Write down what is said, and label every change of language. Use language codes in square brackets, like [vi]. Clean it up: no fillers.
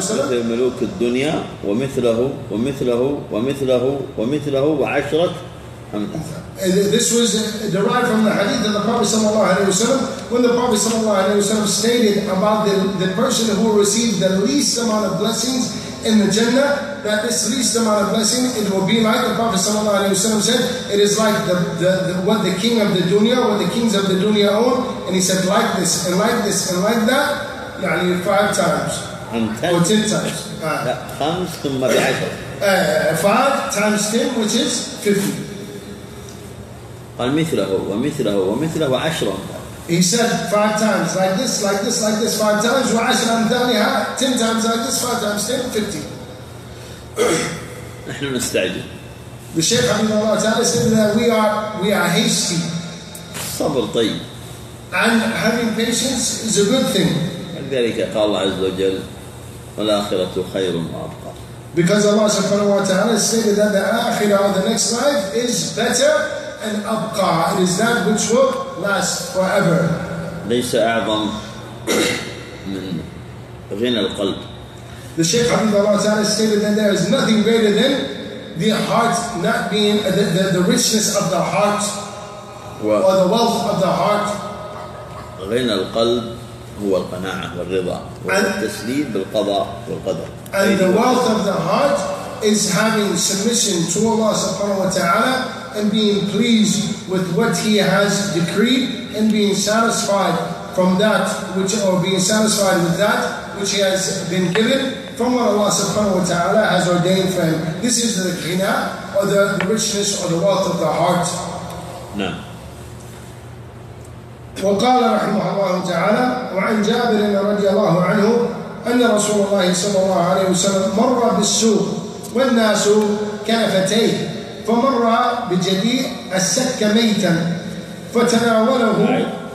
[ar] wasallam. الدنيا ومثله ومثله ومثله ومثله وعشرة [en] This was derived from the hadith of the Prophet sallallahu alaihi wasallam, when the Prophet sallallahu alaihi wasallam stated about the person who received the least amount of blessings in the Jannah, that this least amount of blessing, it will be like the Prophet sallallahu alaihi wasallam said, it is like what the kings of the dunya own. And he said, like this, and like this, and like that, [ar] يعني [en] five times. And ten. Or ten times. [ar] خمس ثم بعشر. [en] Five times ten, which is 50. [ar] قال مثله ومثله ومثله وعشرة. [en] He said five times like this, like this, like this, five times. [ar] وعشرة ثانيها, [en] ten times like this, five times ten, 50. [ar] نحن نستعجل. [en] The Shaykh [ar] رحمه الله تعالى [en] said that we are hasty. [ar] صبر طيب. [en] And having patience is a good thing. [ar] لذلك قال الله عز وجل والآخرة خير وأبقى. [en] Because Allah [ar] سبحانه وتعالى [en] said that the آخرة or the next life is better. And أبقى, it is that which will last forever. [ar] ليس أعظم من غنى القلب. [en] The Shaykh Habibullah Allah Ta'ala stated that there is nothing greater than the heart not being the richness of the heart or the wealth of the heart. [ar] غنى القلب هو القناعة والرضا والتسليم بالقضاء والقدر. [en] And the wealth of the heart is having submission to Allah Subhanahu Wa Ta'ala and being pleased with what He has decreed, and being satisfied from that which, or being satisfied with that which He has been given from what Allah Subhanahu Wa Taala has ordained for him. This is the ghina, or the richness, or the wealth of the heart. No. [ar] وقال رحمه الله تعالى وعن جابر رضي الله عنه أن رسول الله صلى الله عليه وسلم مر بالسوق والناس كافتيه. فمر بجدي السك ميتا فتناوله.